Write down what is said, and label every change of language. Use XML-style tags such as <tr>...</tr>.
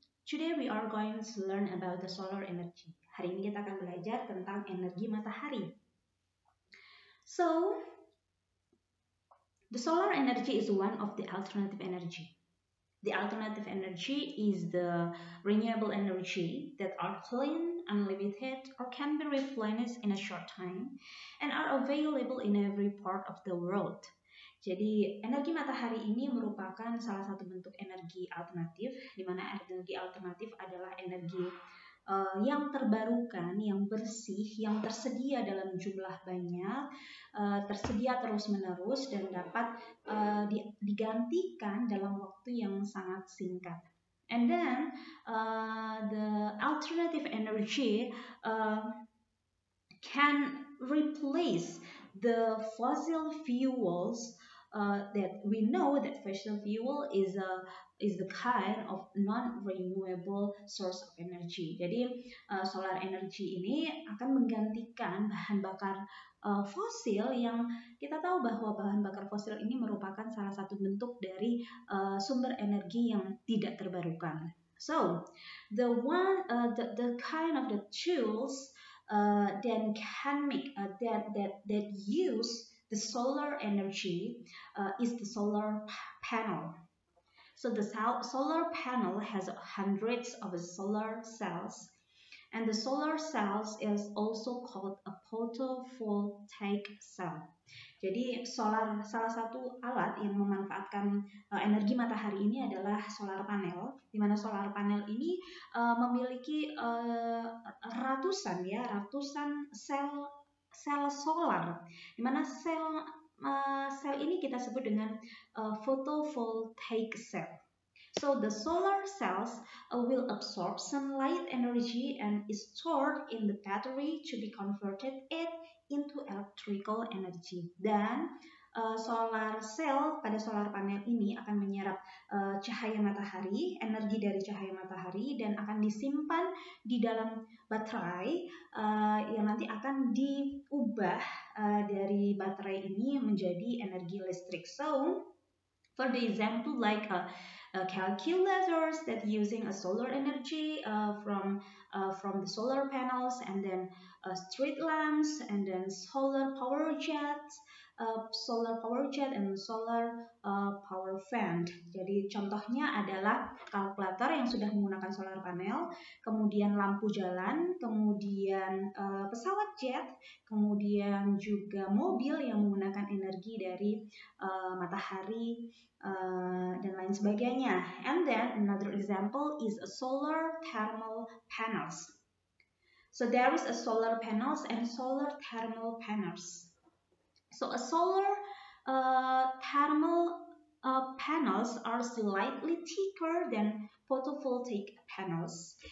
<en>Today we are going to learn about the solar energy.</en> <id>Hari ini kita akan belajar tentang energi matahari.</id> <en>So, the solar energy is one of the alternative energy. The alternative energy is the renewable energy that are clean, unlimited, or can be replenished in a short time, and are available in every part of the world.</en> <id>Jadi, energi matahari ini merupakan salah satu bentuk energi alternatif, di mana energi alternatif adalah energi yang terbarukan, yang bersih, yang tersedia dalam jumlah banyak, tersedia terus-menerus, dan dapat digantikan dalam waktu yang sangat singkat.</id> <en>And then, the alternative energy can replace the fossil fuels. That we know that fossil fuel is the kind of non-renewable source of energy.</en> <id>Jadi, solar energy ini akan menggantikan bahan bakar fosil yang kita tahu bahwa bahan bakar fosil ini merupakan salah satu bentuk dari sumber energi yang tidak terbarukan.</id> <en>So, the one the kind of the tools that can make that use the solar energy is the solar panel. So the solar panel has hundreds of solar cells, and the solar cells is also called a photovoltaic cell.</en> <id>Jadi solar, salah satu alat yang memanfaatkan energi matahari ini adalah solar panel, di mana solar panel ini memiliki ratusan sel solar, di mana sel ini kita sebut dengan photovoltaic cell.</id> <en>So the solar cells will absorb sunlight energy and is stored in the battery to be converted it into electrical energy.</en> <id>Dan solar cell pada solar panel ini akan menyerap cahaya matahari, energi dari cahaya matahari, dan akan disimpan di dalam baterai yang nanti akan diubah dari baterai ini menjadi energi listrik.</id> <en>So, for the example like a calculators that using a solar energy from the solar panels, and then street lamps, and then solar power jets, and solar power fan.</en> <id>Jadi contohnya adalah kalkulator yang sudah menggunakan solar panel, kemudian lampu jalan, kemudian pesawat jet, kemudian juga mobil yang menggunakan energi dari matahari dan lain sebagainya.</id> <en>And then another example is a solar thermal panels. So there is a solar panels and solar thermal panels. So a solar thermal panels are slightly thicker than photovoltaic panels.</en>